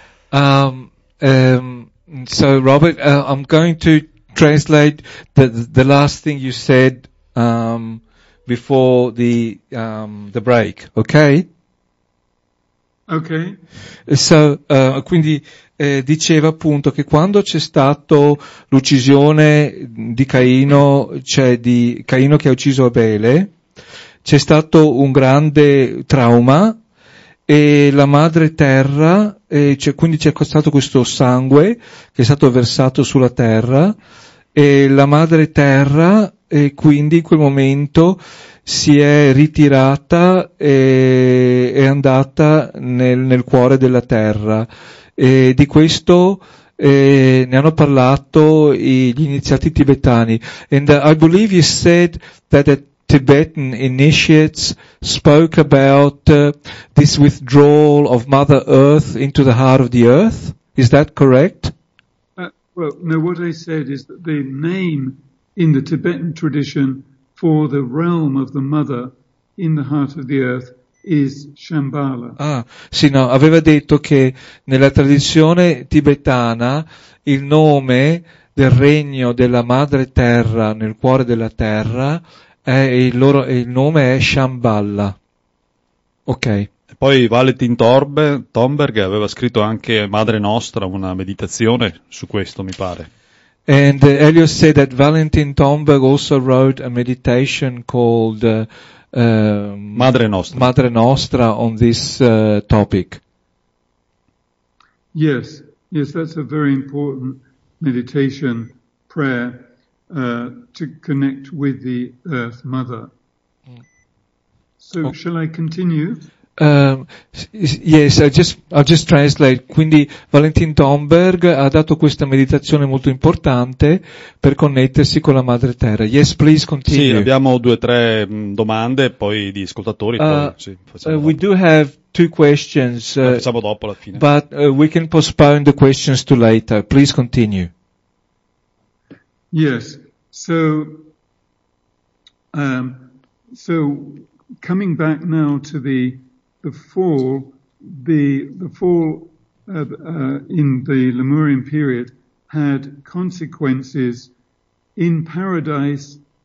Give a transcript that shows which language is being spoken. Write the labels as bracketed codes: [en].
[en] So, Robert, I'm going to translate the last thing you said before the break, ok? Ok. [it] So, quindi diceva appunto che quando c'è stato l'uccisione di Caino, cioè di Caino che ha ucciso Abele, c'è stato un grande trauma e la madre terra, quindi c'è stato questo sangue che è stato versato sulla terra e la madre terra e quindi in quel momento si è ritirata e è andata nel cuore della terra. E di questo ne hanno parlato gli iniziati tibetani. [en] And I believe you said that at Tibetan initiates spoke about this withdrawal of Mother Earth into the heart of the earth. Is that correct? Well, no, what I said is that the name in the Tibetan tradition for the realm of the mother in the heart of the earth is Shambhala. [it] Ah, sì, no, aveva detto che nella tradizione tibetana il nome del regno della madre terra nel cuore della terra è il nome è Shambhala. [en] Ok. [it] Poi Valentin Thornberg aveva scritto anche Madre Nostra, una meditazione su questo, mi pare. [en] And Elio said that Valentin Thornberg also wrote a meditation called [it] Madre Nostra. [en] Madre Nostra on this topic. Yes, yes, that's a very important meditation prayer to connect with the Earth Mother. So shall I continue? Yes, I'll just translate. [it] Quindi Valentin Thornberg ha dato questa meditazione molto importante per connettersi con la madre terra. [en] Yes, please continue. [it] Sì, abbiamo due tre domande poi di ascoltatori. [en] We do have two questions. [it] Facciamo dopo alla fine. [en] But we can postpone the questions to later. Please continue. Yes. So coming back now to the fall in the Lemurian period had consequences in paradise.